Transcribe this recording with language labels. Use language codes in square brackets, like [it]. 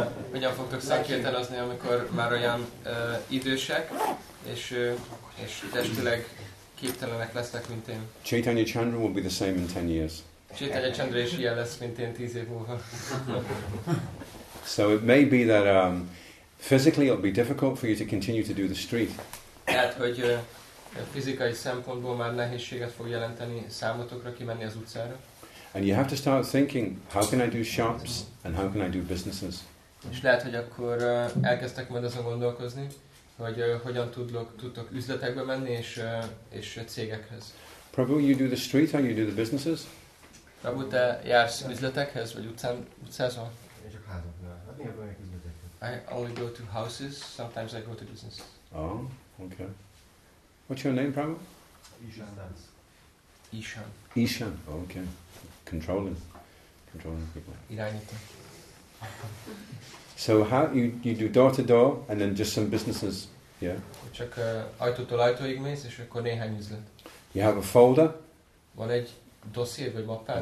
[hu] Hogyan fogtok szankirtanozni, amikor már olyan idősek és testileg képtelenek lesznek, mint én? [en] Chaitanya Chandra will be the same in 10 years. [hu] Chaitanya Chandra is ilyen lesz, mint én 10 év múlva. [en] So it may be that physically it'll be difficult for you to continue to do the street. [hu] Tehát, hogy fizikai szempontból már nehézséget fog jelenteni számotokra kimenni az utcára. [en] And you have to start thinking, how can I do shops and how can I do businesses? [hu] És lehet, hogy akkor elkezdtek majd azon gondolkozni, hogy hogyan tudtok üzletekbe menni és cégekhez. [en] Prabhu, you do the street or you do the businesses? [hu] Prabhu, te jársz üzletekhez vagy utcán, utcázol? Csak házaknál. [en] I only go to houses, sometimes I go to business. Oh, okay. What's your name, Prabhu? Ishan. Ishan. Ishan, oh, okay. Controlling people. [hu] Irányító. [en] So how you do door to door and then just some businesses, yeah? [hu] Csak ajtótól ajtóig mész, és akkor néhány üzlet. [en] You have a folder? [hu] Van egy dosszié vagy mappád?